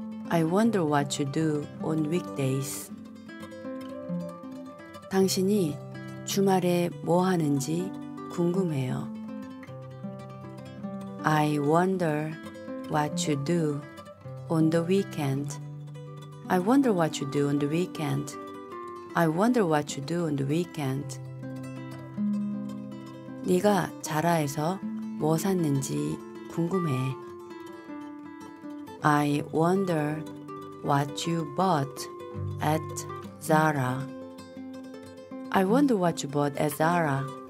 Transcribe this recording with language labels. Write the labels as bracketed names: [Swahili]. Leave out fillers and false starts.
[English] I wonder what you do on weekdays. [Korean] 당신이 주말에 뭐 하는지 궁금해요. [English] I wonder what you do on the weekend. I wonder what you do on the weekend. I wonder what you do on the weekend. [Korean] 네가 자라에서 뭐 샀는지 궁금해. [English] I wonder what you bought at Zara. I wonder what you bought at Zara.